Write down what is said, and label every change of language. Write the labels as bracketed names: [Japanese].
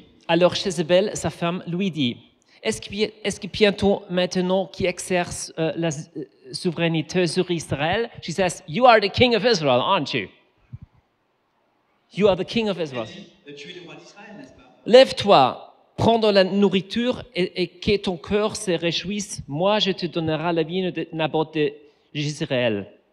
[French] Alors chez Isabel, sa femme lui dit, est-ce que bientôt maintenant qui exerce la souveraineté sur Israël? [English] She says, you are the king of Israel, aren't you? You are the king of Israel. [French] Tu es le roi d'Israël, n'est-ce pas? Lève-toi, prends de la nourriture et que ton cœur se réjouisse. Moi, je te donnerai la vigne de Naboth d'Israël.